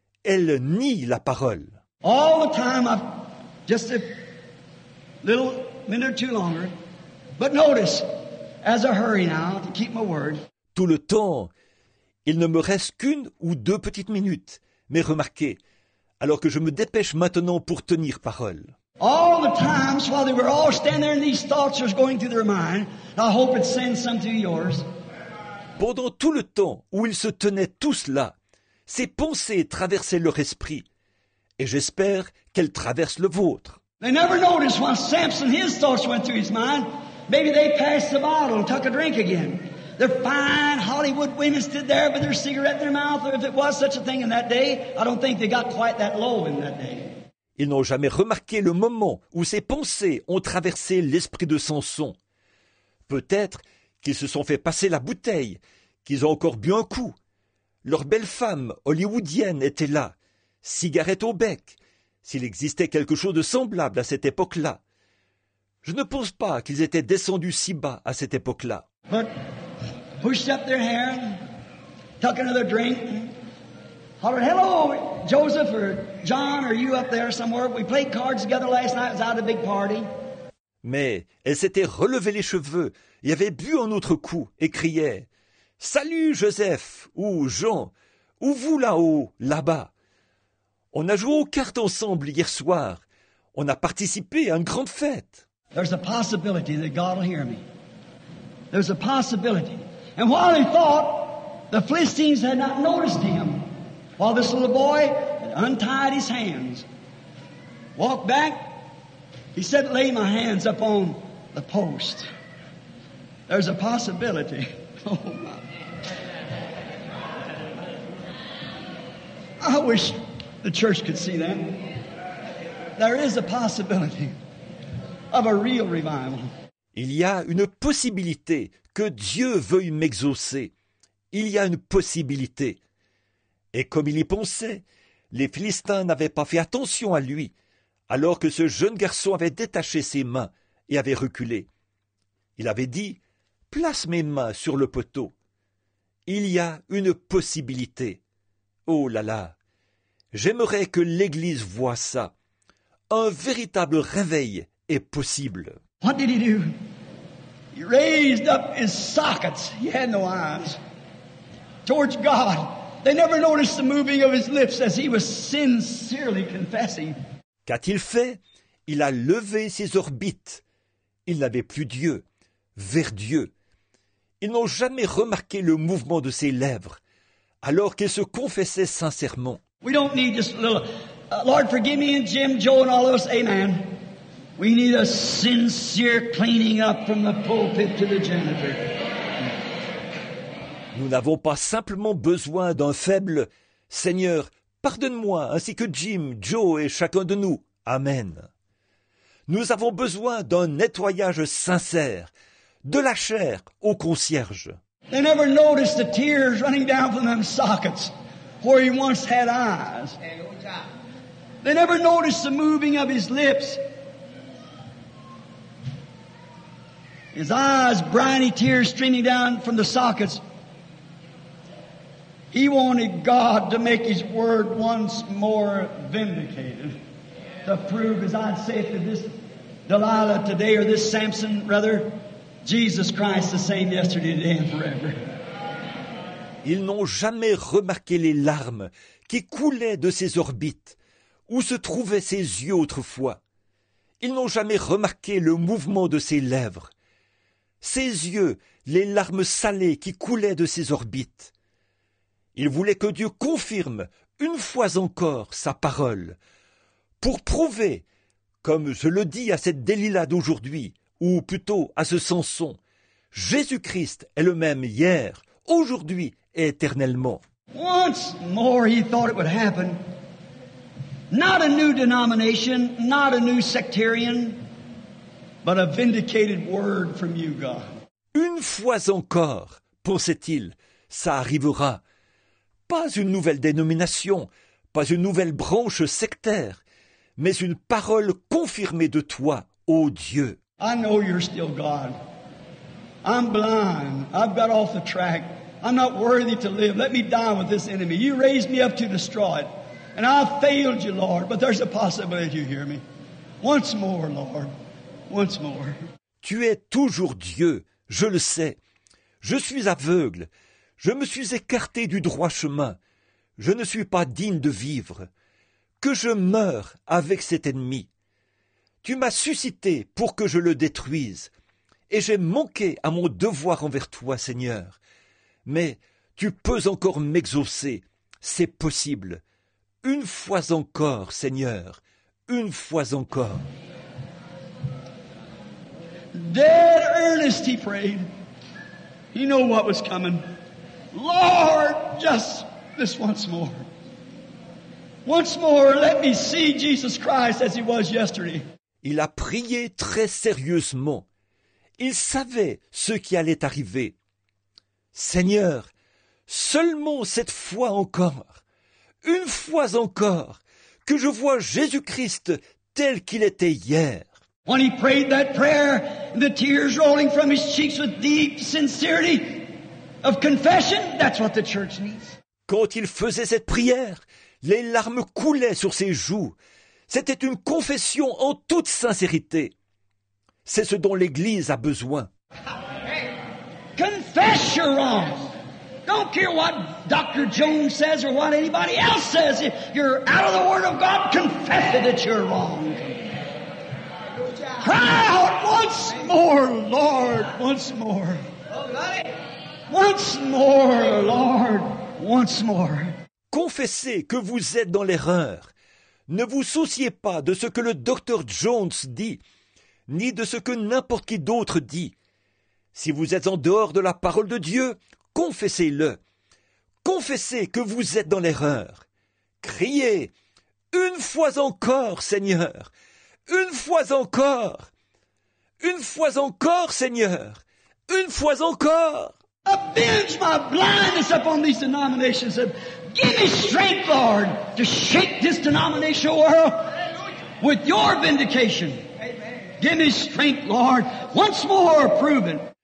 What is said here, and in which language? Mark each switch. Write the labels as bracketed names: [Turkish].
[French] Elle nie la parole. [English] All the time, just a little minute or two longer, but notice, as I hurry now to keep my word. [French] Tout le temps, il ne me reste qu'une ou deux petites minutes, mais remarquez, alors que je me dépêche maintenant pour tenir parole. [English] All the times while they were all standing there and these thoughts were going through their mind, I hope it sends some to yours. [French] Pendant tout le temps où ils se tenaient tous là, ces pensées traversaient leur esprit, et j'espère qu'elles traversent le vôtre. [English] They never noticed while Samson, his thoughts went through his mind, maybe they passed the bottle and took a drink again. Their fine Hollywood women stood there with their cigarette in their mouth, or if it was such a thing in that day, I don't think they got quite that low in that day. [French] Ils n'ont jamais remarqué le moment où ces pensées ont traversé l'esprit de Samson. Peut-être qu'ils se sont fait passer la bouteille, qu'ils ont encore bu un coup. Leur belle femme hollywoodienne était là, cigarette au bec, s'il existait quelque chose de semblable à cette époque-là. Je ne pense pas qu'ils étaient descendus si bas à cette époque-là. [English] But pushed up their hair, took another drink, hollered, "Hello, Joseph or John, are you up there somewhere? We played cards together last night, it was out of a big party." [French] Mais elle s'était relevé les cheveux et avait bu un autre coup et criait « Salut Joseph ou Jean, ou vous là-haut, là-bas ? On a joué aux cartes ensemble hier soir. On a participé à une grande fête. » [English] There's a possibility that God will hear me. There's a possibility. And while he thought, the Philistines had not noticed him. While this little boy had untied his hands, walked back, he said, "Lay my hands up on the post." There's a possibility. Oh my. I wish the church could see that. There is a possibility of a real revival. [French] Il y a une possibilité que Dieu veuille m'exaucer. Il y a une possibilité. Et comme il y pensait, les Philistins n'avaient pas fait attention à lui, alors que ce jeune garçon avait détaché ses mains et avait reculé. Il avait dit « Place mes mains sur le poteau. Il y a une possibilité. » Oh là là, j'aimerais que l'Église voie ça. un véritable réveil est possible. [English] What did he do? He raised up his sockets. He had no arms. Towards God. They never noticed the moving of his lips as he was sincerely confessing. [French] Qu'a-t-il fait? Il a levé ses orbites. Il n'avait plus Dieu, vers Dieu. Ils n'ont jamais remarqué le mouvement de ses lèvres, alors qu'il se confessait sincèrement. [English] We don't need just a little, Lord, forgive me and Jim, Joe and all of us, amen. We need a sincere cleaning up from the pulpit to the janitor. [French] Nous n'avons pas simplement besoin d'un faible « Seigneur, pardonne-moi, ainsi que Jim, Joe et chacun de nous. Amen. » Nous avons besoin d'un nettoyage sincère, de la chair au concierge. [English] They never noticed the tears running down from them sockets where he once had eyes. They never noticed the moving of his lips. His eyes, briny tears streaming down from the sockets. He wanted God to make his word once more vindicated, to prove, as I say, to this Delilah today, or this Samson, rather, Jesus Christ the same yesterday, today, and forever. [French] Ils n'ont jamais remarqué les larmes qui coulaient de ses orbites, où se trouvaient ses yeux autrefois. Ils n'ont jamais remarqué le mouvement de ses lèvres, ses yeux, les larmes salées qui coulaient de ses orbites. Il voulait que Dieu confirme une fois encore sa parole pour prouver, comme je le dis à cette Delilah d'aujourd'hui, ou plutôt à ce Samson, Jésus-Christ est le même hier, aujourd'hui et éternellement. [English] Once more he thought it would happen. Not a new denomination, not a new sectarian, but a vindicated word from you, God. [French] Une fois encore, pensait-il, ça arrivera. Pas une nouvelle dénomination, pas une nouvelle branche sectaire, mais une parole confirmée de toi, ô Dieu. [English] I know you're still God. I'm blind. I've got off the track. I'm not worthy to live. Let me die with this enemy. You raised me up to destroy it. And I failed you, Lord, but there's a possibility you hear me. Once more, Lord. Once more. [French] Tu es toujours Dieu, je le sais. Je suis aveugle. Je me suis écarté du droit chemin. Je ne suis pas digne de vivre. Que je meure avec cet ennemi. Tu m'as suscité pour que je le détruise. Et j'ai manqué à mon devoir envers toi, Seigneur. Mais tu peux encore m'exaucer. C'est possible. Une fois encore, Seigneur. Une fois encore. [English] Dead earnest, he prayed. He knew what was coming. Lord, just this once more. Once more, let me see Jesus Christ as he was yesterday. [French] Il a prié très sérieusement. Il savait ce qui allait arriver. Seigneur, seulement cette fois encore, une fois encore, que je vois Jésus-Christ tel qu'il était hier. [English] When he prayed that prayer, the tears rolling from his cheeks with deep sincerity, of confession, that's what the church needs. [French] Quand il faisait cette prière, les larmes coulaient sur ses joues. C'était une confession en toute sincérité. C'est ce dont l'Église a besoin. [English] Hey, confess your wrongs. Don't care what Dr. Jones says or what anybody else says. If you're out of the Word of God, confess it that you're wrong. Cry out once more, Lord, once more. Once more, Lord, once more. [French] Confessez que vous êtes dans l'erreur. Ne vous souciez pas de ce que le docteur Jones dit, ni de ce que n'importe qui d'autre dit. Si vous êtes en dehors de la parole de Dieu, confessez-le. Confessez que vous êtes dans l'erreur. Criez, une fois encore, Seigneur. Une fois encore. Une fois encore, Seigneur. Une fois encore. [English] Avenge my blindness upon these denominations. Give me strength, Lord, to shake this denominational world with your vindication. Give me strength, Lord, once more prove it.